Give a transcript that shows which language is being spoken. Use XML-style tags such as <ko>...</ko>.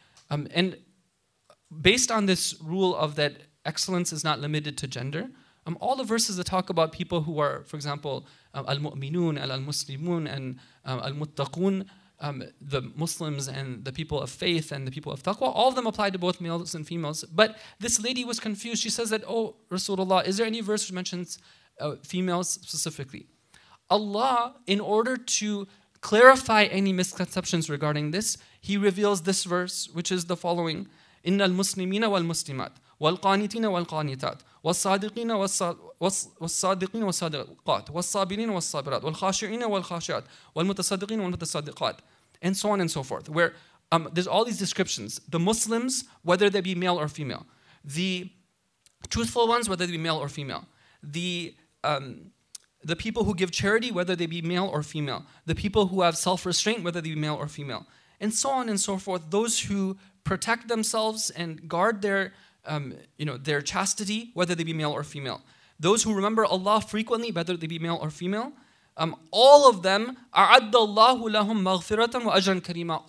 <en>And based on this rule of that excellence is not limited to gender, all the verses that talk about people who are, for example, al-mu'minun, al-muslimun, and al-muttaqun, the Muslims and the people of faith and the people of taqwa, all of them apply to both males and females. But this lady was confused. She says that, oh, Rasulullah, is there any verse which mentions females specifically? Allah, in order to clarify any misconceptions regarding this, he reveals this verse, which is the following.</en> <ar>إن المسلمين والمسلمات والقانتين والقانتات والصادقين والصادقين والصادقات والصابرين والصابرات والخاشعين والخاشعات والمتصدقين والمتصدقات</ar> <en>and so on and so forth, where there's all these descriptions. The Muslims, whether they be male or female, the truthful ones, whether they be male or female, the people who give charity, whether they be male or female, the people who have self-restraint, whether they be male or female, and so on and so forth, those who protect themselves and guard their chastity, whether they be male or female, those who remember Allah frequently, whether they be male or female, all of them,</en> <ar>أَعَدَّ اللَّهُ لَهُمْ مَغْفِرَةً وَأَجْرًا كَرِيمًا.</ar>